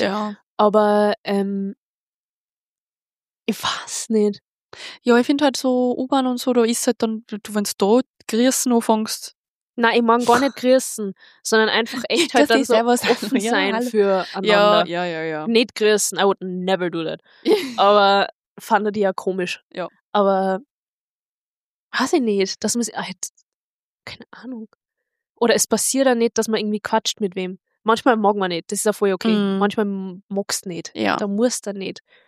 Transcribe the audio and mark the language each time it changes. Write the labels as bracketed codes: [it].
[de] Ja. Aber ich weiß nicht. Ja, ich finde halt so U-Bahn und so, da ist halt dann, du, wenn du da grüßen anfängst. Nein, ich mag gar nicht grüßen, sondern einfach echt halt dann so was offen sein für einander. Ja, ja, ja, ja. Nicht grüßen, [en] I would never do that. [de] Aber fand ich ja komisch. Ja. Aber weiß ich nicht, dass man sich halt, keine Ahnung. Oder es passiert ja nicht, dass man irgendwie quatscht mit wem. Manchmal mag man nicht, das ist ja voll okay. Mm. Manchmal magst du nicht, ja. Da musst du nicht.